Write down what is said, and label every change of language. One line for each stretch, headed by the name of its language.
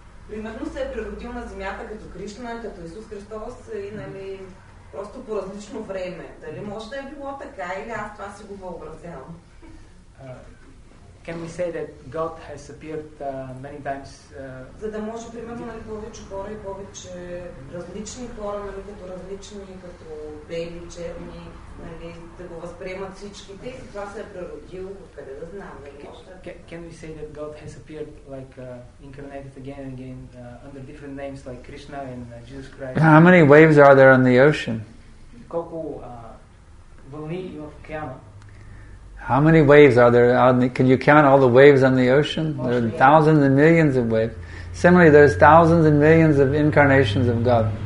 Bulgarian: Примерно се е природил на земята като Кришна, като Исус Христос и нали, просто по различно време. Дали може да е било така или аз това си го въобразявам?
English: Can we say that God has appeared many times?
Bulgarian: За да може, примерно, нали, повече хора и повече различни хора, нали, като различни, като бели, черни, нали, да го възприемат всичките и това се е природил, откъде да знам. Нали,
English: can we say that God has appeared like incarnated again and again under different names like Krishna and Jesus Christ? How many waves are there on the ocean?
Bulgarian: Колко вълни има в океана?
English: How many waves are there? Can you count all the waves on the ocean? There are thousands and millions of waves. Similarly, there's thousands and millions of incarnations of God.